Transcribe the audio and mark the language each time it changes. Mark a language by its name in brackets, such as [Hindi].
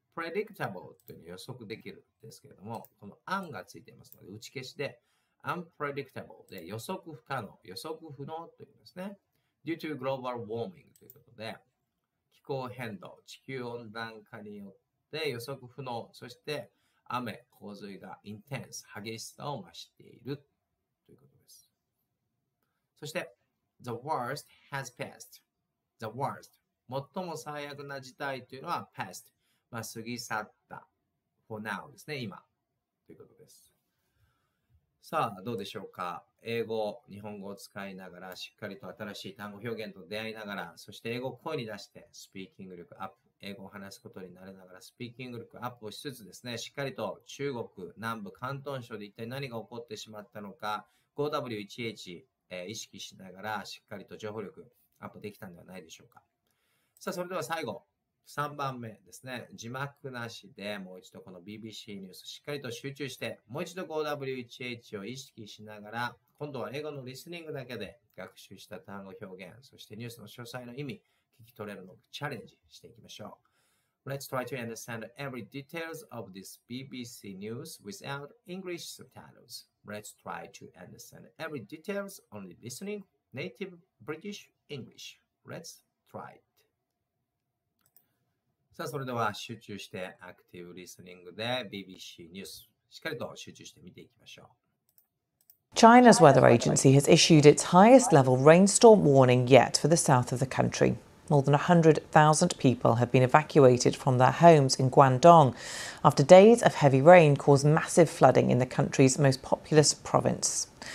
[Japanese] predictable というのは予測できるんですけれども、この un がついていますので、打ち消しで unpredictable で予測不可能、予測不能というですね。 [English] due to global warming [Japanese] ということで、気候変動、地球温暖化によって予測不能、そして雨、洪水がインテンス、激しさを増しているということです。 [English] そして、The worst has passed. The worst. [Japanese] 最も最悪な事態というのは passed. まあ、過ぎ去った。 [English] For now [Japanese] ですね、今。ということです。さあ、どうでしょうか。英語、日本語を使いながら、しっかりと新しい単語表現と出会いながら、そして英語を声に出して、スピーキング力アップ。英語を話すことに慣れながらスピーキング力アップをしつつですね、しっかりと中国南部広東省で一体何が起こってしまったのか 5W1H、意識しながらしっかりと情報力アップできたんではないでしょうか。さあそれでは最後3番目ですね、字幕なしでもう一度この BBC ニュースしっかりと集中してもう一度 5W1H を意識しながら、今度は英語のリスニングだけで学習した単語表現、そしてニュースの詳細の意味聞き取れるのかチャレンジしていきましょう。 [English] Let's try to understand every details of this BBC news without English subtitles. Let's try to understand every details only listening native British English. Let's try it. [Japanese] さあそれでは集中してアクティブリスニングで BBC ニュースしっかりと集中して見ていきましょう。 [English] China's weather agency has issued its highest level rainstorm warning yet for the south of the country. More than 100,000 people have been evacuated from their homes in Guangdong after days of heavy rain caused massive flooding in the country's most populous province.